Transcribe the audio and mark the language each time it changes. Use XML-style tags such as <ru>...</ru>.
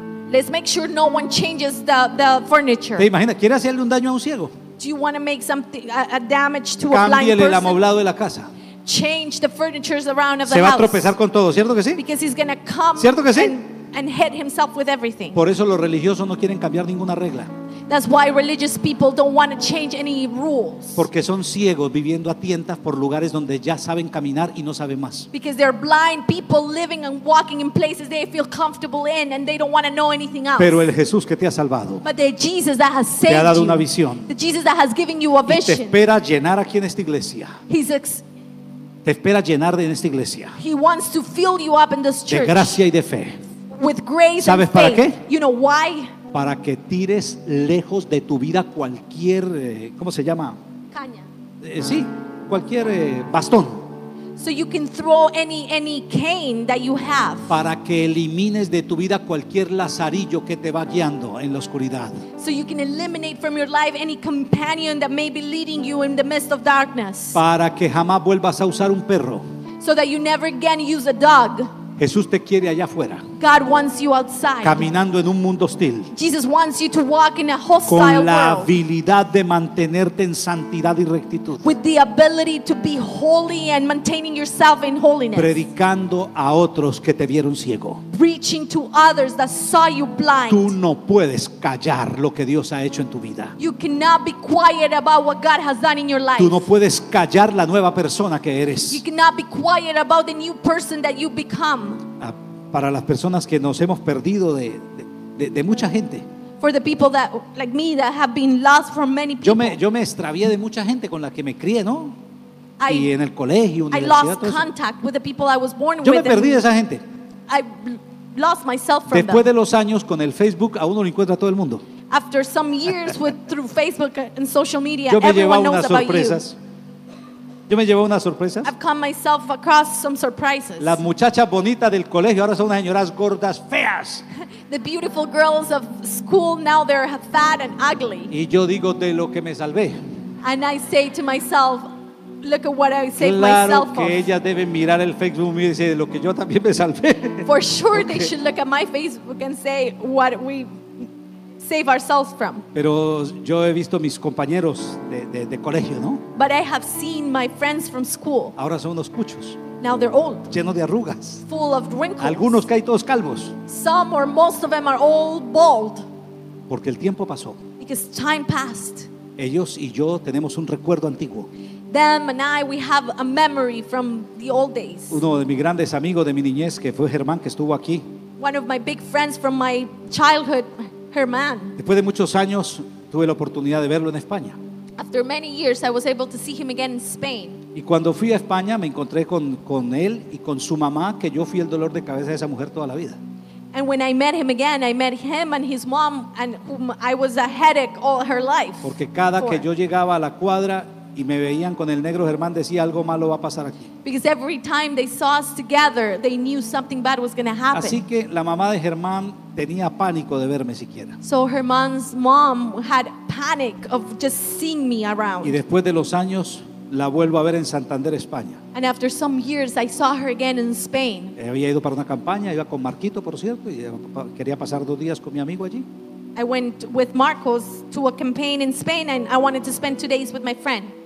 <en>Let's make sure no one changes the furniture.</en> <es>¿Te imaginas? ¿Quieres hacerle un daño a un ciego?</es> <en>Do you want to make something a damage to</en> <es>cámbiale</es> <en>a blind person?</en> <es>Cámbiale el amoblado de la casa.</es> <en>Change the furniture around of</en> <es>se</es> <en>the house.</en> <es>Se va a tropezar con todo, ¿cierto que sí?</es> <en>Because he's going to come.</en> <es>¿Cierto que sí?</es> <en>And hit himself with everything.</en> <es>Por eso los religiosos no quieren cambiar ninguna regla.</es> <en>That's why religious people don't want to change any rules.</en> <es>Porque son ciegos viviendo a tientas por lugares donde ya saben caminar y no saben más.</es> <en>Because they're blind people living and walking in places they feel comfortable in and they don't want to know anything else.</en> <es>Pero el Jesús que te ha salvado.</es> <en>But the Jesus that has saved</en> <es>te ha dado</es> <en>you,</en> <es>una visión.</es> <en>The Jesus that has given you a vision.</en> <es>Y te espera llenar aquí en esta iglesia.</es> <en>He's ex-</en> <es>te espera llenar en esta iglesia.</es> <en>He wants to fill you up in this church.</en> <es>De gracia y de fe.</es> <en>With grace</en> <es>¿sabes</es> <en>and faith.</en> <es>Para qué? You know why? Para que tires lejos de tu vida cualquier ¿cómo se llama? Caña. Sí, cualquier bastón.</es> <en>So you can throw any cane that you have.</en> <es>Para que elimines de tu vida cualquier lazarillo que te va guiando en la oscuridad.</es> <en>So you can eliminate from your life any companion that may be leading you in the midst of darkness.</en> <es>Para que jamás vuelvas a usar un perro.</es> <en>So that you never again use a dog.</en> <es>Jesús te quiere allá afuera.</es> <en>God wants you outside.</en> <es>Caminando en un mundo hostil.</es> <en>Jesus wants you to walk in a hostile world.</en> <es>Con la habilidad de mantenerte en santidad y rectitud.</es> <en>With the ability to be holy and maintaining yourself in holiness.</en> <es>Predicando a otros que te vieron ciego.</es> <en>Preaching to others that saw you blind.</en> <es>Tú no puedes callar lo que Dios ha hecho en tu vida.</es> <en>You cannot be quiet about what God has done in your life.</en> <es>Tú no puedes callar la nueva persona que eres.</es> <en>You cannot be quiet about the new person that you become.</en> <es>Para las personas que nos hemos perdido de mucha gente.</es> <en>For the people that, like me, that have been lost from many people.</en> <es>Yo me extravié de mucha gente con la que me crié, ¿no? Y en el colegio,</es> <en>I lost contact with the people I was born</en> <es>yo</es> <en>with.</en> <es>Yo me perdí de esa gente.</es> <en>I lost myself from</en> <es>después</es> <en>them.</en> <es>De los años con el Facebook, a uno lo encuentra todo el mundo.</es> <en>After some years with through Facebook and social media,</en> <es>yo me</es> <en>everyone knows</en> <es>sorpresas.</es> <en>About you.</en> <es>Yo me llevé unas sorpresas.</es> <en>I've come myself across some surprises.</en> <es>Las muchachas bonitas del colegio ahora son unas señoras gordas, feas.</es> <en>The beautiful girls of school now they're fat and ugly.</en> <es>Y yo digo de lo que me salvé.</es> <en>And I say to myself, look at what I saved myself.</en> <es>Claro que ellas deben mirar el Facebook y decir de lo que yo también me salvé.</es> <en>For sure okay. They should look at my Facebook and say what we save ourselves from.</en> <es>Pero yo he visto mis compañeros de colegio, ¿no?</es> <en>But I have seen my friends from school.</en> <es>Ahora son unos cuchos.</es> <en>Now they're old.</en> <es>Llenos de arrugas.</es> <en>Full of wrinkles.</en> <es>Algunos caen todos calvos.</es> <en>Some or most of them are all bald.</en> <es>Porque el tiempo pasó.</es> <en>Because time passed.</en> <es>Ellos y yo tenemos un recuerdo antiguo.</es> <en>Them and I, we have a memory from the old days.</en> <es>Uno de mis grandes amigos de mi niñez, que fue Germán, que estuvo aquí.</es> <en>One of my big friends from my childhood. Herman.</en> <es>Después de muchos años tuve la oportunidad de verlo en España.</es> <en>After many years I was able to see him again in Spain.</en> <es>Y cuando fui a España me encontré con él y con su mamá, que yo fui el dolor de cabeza de esa mujer toda la vida.</es> <en>And when I met him again, I met him and his mom and whom I was a headache all her life.</en> <es>Porque cada que yo llegaba a la cuadra y me veían con el negro Germán, decía algo malo va a pasar aquí.</es> <en>Because every time they saw us together, they knew something bad was going to happen.</en> <es>Así que la mamá de Germán tenía pánico de verme siquiera.</es> <en>So Herman's mom had panic of just seeing me around.</en> <es>Y después de los años la vuelvo a ver en Santander, España.</es> <en>And after some years I saw her again in Spain.</en> <es>Había ido para una campaña, iba con Marquito, por cierto, y quería pasar dos días con mi amigo allí.</es> <en>I went with Marcos to a campaign in Spain and I wanted to spend 2 days with my friend.</en>